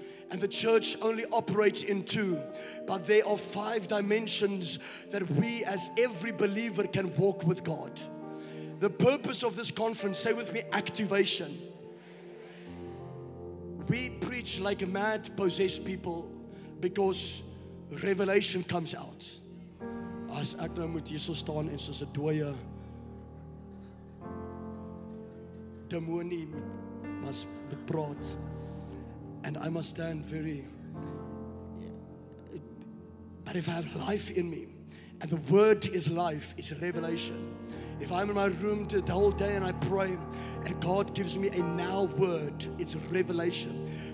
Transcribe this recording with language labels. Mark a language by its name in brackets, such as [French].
[English] And the church only operates in two. But there are five dimensions that we as every believer can walk with God. The purpose of this conference, say with me, activation. We preach like mad possessed people because revelation comes out. [Afrikaans] As ek nou moet hier so staan en soos 'n dooie demonie moet praat. [English] And I must stand very, but if I have life in me, and the word is life, it's revelation. If I'm in my room the whole day and I pray, and God gives me a now word, it's revelation.